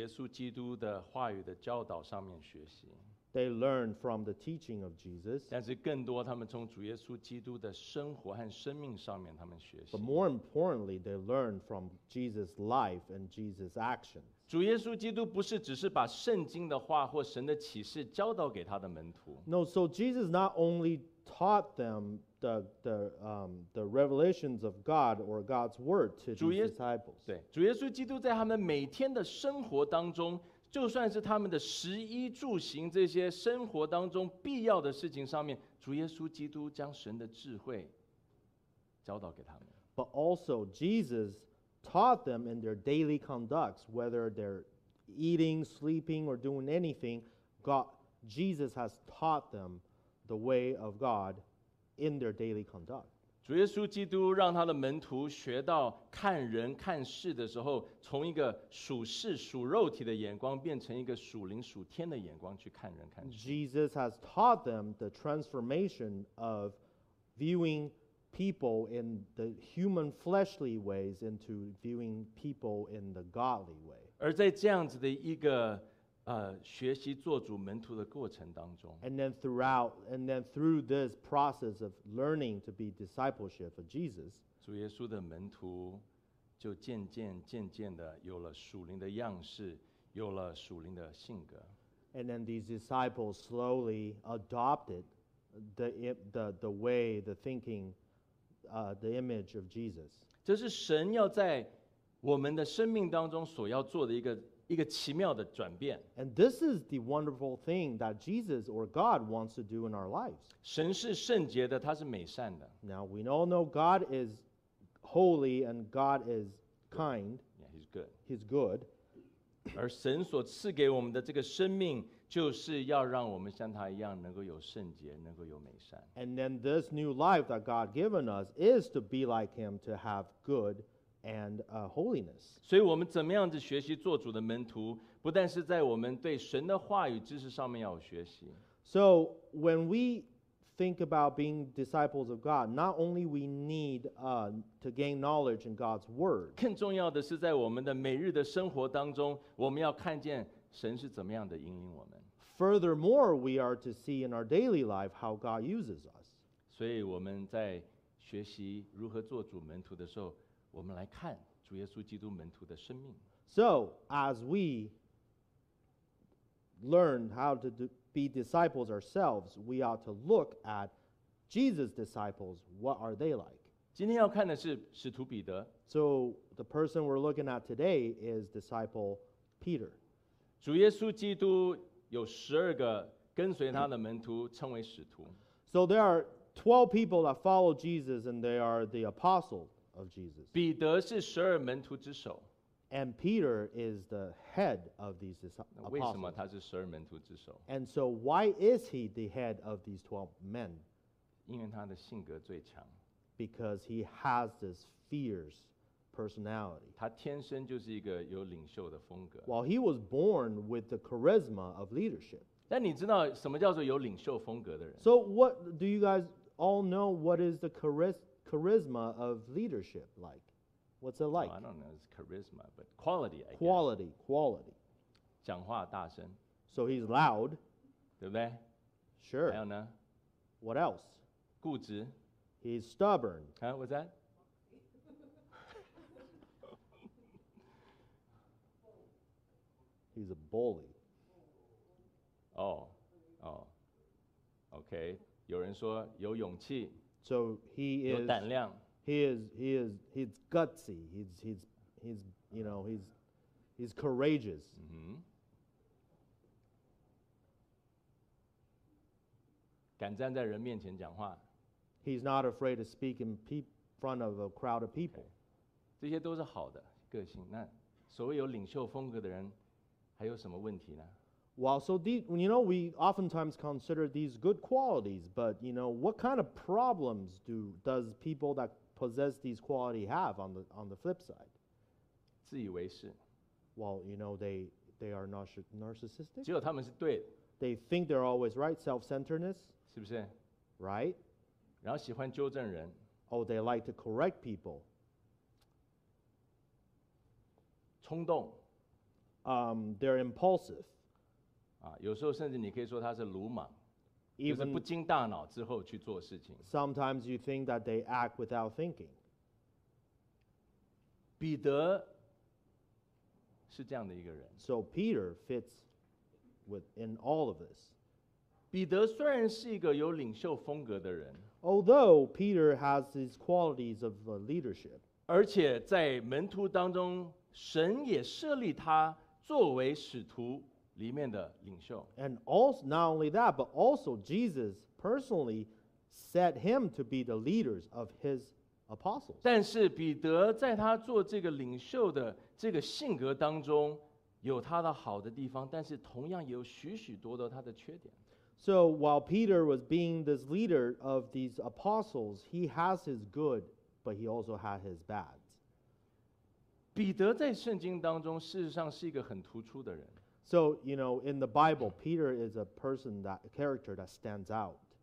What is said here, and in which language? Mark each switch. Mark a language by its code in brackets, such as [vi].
[zh] 他们从主耶稣基督的话语的教导上面学习。 [en] They learned from the teaching of Jesus. [zh] 但是更多他们从主耶稣基督的生活和生命上面他们学习。 [en] But more importantly, they learned from Jesus' life and Jesus' actions. [zh] 主耶稣基督不是只是把圣经的话或神的启示教导给他的门徒。 [en] No, so Jesus not only taught them the revelations of God or God's word to these disciples. [zh] 对，主耶稣基督在他们每天的生活当中， 就算是他们的食衣住行这些生活当中必要的事情上面， 主耶稣基督将神的智慧教导给他们。 [en] But also Jesus taught them in their daily conducts, whether they're eating, sleeping, or doing anything, God, Jesus has taught them the way of God in their daily conduct. [zh] 主耶稣基督让他的门徒学到看人看事的时候，从一个属世属肉体的眼光变成一个属灵属天的眼光去看人看事。 [en] Jesus has taught them the transformation of viewing people in the human fleshly ways into viewing people in the godly way. [zh] 而在这样子的一个学习做主门徒的过程当中 [en] and then through this process of learning to be discipleship of Jesus, [zh] 主耶稣的门徒就渐渐的有了属灵的样式，有了属灵的性格。 [en] And then these disciples slowly adopted the image of Jesus. [zh] 这是神要在我们的生命当中所要做的一个奇妙的转变。 [en] And this is the wonderful thing that Jesus or God wants to do in our lives. [zh] 神是圣洁的，他是美善的。 [en] Now we all know God is holy and God is kind. Yeah, he's good. He's good. [zh] 而神所赐给我们的这个生命，就是要让我们像他一样，能够有圣洁，能够有美善。 [en] And then this new life that God given us is to be like him, to have good and holiness. [zh] 所以我们怎么样子学习做主的门徒，不但是在我们对神的话语知识上面要学习。 [en] So when we think about being disciples of God, not only we need to gain knowledge in God's word, [zh] 更重要的是在我们的每日的生活当中，我们要看见神是怎么样的引领我们。 [en] Furthermore, we are to see in our daily life how God uses us. [zh] 所以我们在学习如何做主门徒的时候，我们来看主耶稣基督门徒的生命。 [en] So as we learn how to be disciples ourselves, we ought to look at Jesus' disciples. What are they like? [zh] 今天要看的是使徒彼得。 [en] So the person we're looking at today is disciple Peter. [zh] 主耶稣基督有十二个跟随他的门徒称为使徒。 [en] So there are 12 people that follow Jesus and they are the apostles. Of Jesus. [zh] 彼得是十二门徒之首。 [en] And Peter is the head of these apostles. [zh] 为什么他是十二门徒之首？ [en] And so why is he the head of these 12 men? [zh] 因为他的性格最强。 [en] Because he has this fierce personality. [zh] 他天生就是一个有领袖的风格。 [en] Well, he was born with the charisma of leadership. [zh] 但你知道什么叫做有领袖风格的人？ [en] So what do you guys all know what is the charisma of leadership like? What's it like? Oh, I don't know, it's charisma, but quality, I quality, guess. Quality. [zh] 讲话大声。 [en] So he's loud. [zh] 对不对？ [en] Sure. [zh] 还有呢？ [en] What else? [zh] 固执。 [en] He's stubborn. Huh? What's that? He's a bully. Oh. Okay. [zh] 有人说有勇气。 [en] So he is, [zh] 有胆量。 [en] He's gutsy. He's you know, he's courageous. Mm-hmm. [zh] 敢站在人面前讲话。 [en] He's not afraid to speak in front of a crowd of people. Okay. [zh] 这些都是好的个性。那所谓有领袖风格的人，还有什么问题呢？ [en] Well, so, you know, we oftentimes consider these good qualities, but, you know, what kind of problems does people that possess these qualities have on the flip side? [zh] 自以为是。 [en] Well, you know, they are narcissistic. [zh] 只有他们是对的。 [en] They think they're always right, self-centeredness. [zh] 是不是？ [en] Right? [zh] 然后喜欢纠正人。 [en] Oh, they like to correct people. [zh] 冲动。 [en] They're impulsive. [zh] 有时候甚至你可以说他是鲁莽，就是不经大脑之后去做事情。 [en] Sometimes you think that they act without thinking. [zh] 彼得是这样的一个人。 [en] So Peter fits within all of this. [zh] 彼得虽然是一个有领袖风格的人， [en] although Peter has these qualities of leadership, [zh] 而且在门徒当中，神也设立他作为使徒。 [en] And also, not only that, but also Jesus personally set him to be the leaders of his apostles. [zh] 但是彼得在他做这个领袖的这个性格当中， 有他的好的地方， 但是同样也有许许多多他的缺点。 [en] So while Peter was being this leader of these apostles, he has his good, but he also had his bad. [zh] 彼得在圣经当中事实上是一个很突出的人。 [en] So, you know, in the Bible, Peter is a person, that character that stands out.